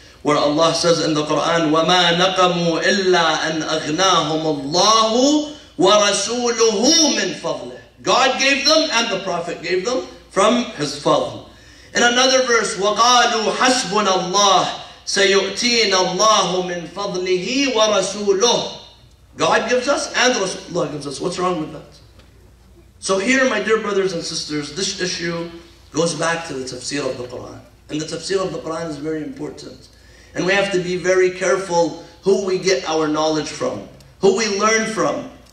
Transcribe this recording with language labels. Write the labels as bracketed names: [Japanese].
[English] Where Allah says in the Quran, [Arabic] وَمَا نَقَمُوا إِلَّا أَنْ أَغْنَاهُمُ اللَّهُ وَرَسُولُهُ مِنْ فَضْلِهِ. [English] God gave them and the Prophet gave them from his fadl. In another verse, [Arabic] وَقَالُوا حَسْبُنَا اللَّهُ سَيُؤْتِينَ اللَّهُ مِنْ فَضْلِهِ وَرَسُولُهُ. [English] God gives us and Rasulullah gives us. What's wrong with that? So here, my dear brothers and sisters, this issue goes back to the tafsir of the Quran. And the tafsir of the Quran is very important. And we have to be very careful who we get our knowledge from, who we learn from.